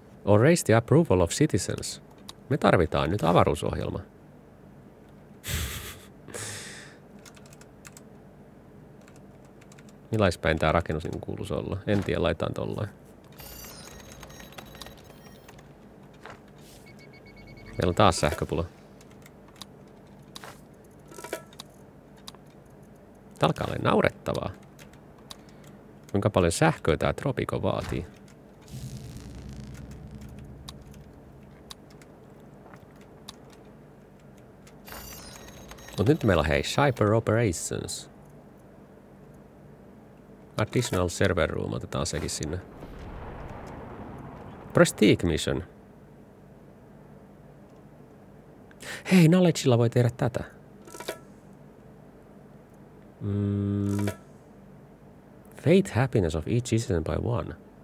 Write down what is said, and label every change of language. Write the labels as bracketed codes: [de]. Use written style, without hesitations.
[en] Or raise the approval of citizens. [fi] Me tarvitaan nyt avaruusohjelma. Millaispäin tää rakennus kuuluis olla? En tiedä, laitaan tollain. Meillä on taas sähköpula. Tää alkaa olla naurettavaa. Kuinka paljon sähköä tää tropiko vaatii? Mut nyt meillä on, hei, Cyber Operations. [en] Additional server room, otetaan sekin sinne. Prestige mission. [fi] Hei, knowledgeilla voi tehdä tätä. [en] Fate happiness of each citizen by one.